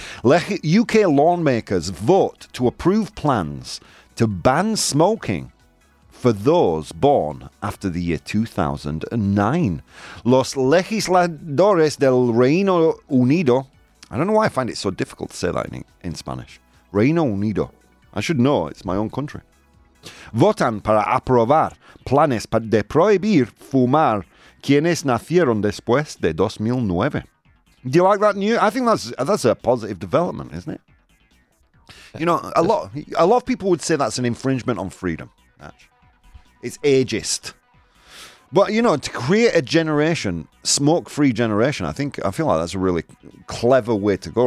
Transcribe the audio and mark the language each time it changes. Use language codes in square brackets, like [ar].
[en] UK lawmakers vote to approve plans to ban smoking for those born after the year 2009. [es] Los legisladores del Reino Unido. [en] I don't know why I find it so difficult to say that in Spanish. Reino Unido. I should know, it's my own country. [es] Votan para aprobar planes de prohibir fumar quienes nacieron después de 2009. [en] Do you like that news? I think that's a positive development, isn't it? You know, a lot of people would say that's an infringement on freedom. It's ageist. But, you know, to create a generation, smoke-free generation, I feel like that's a really clever way to go.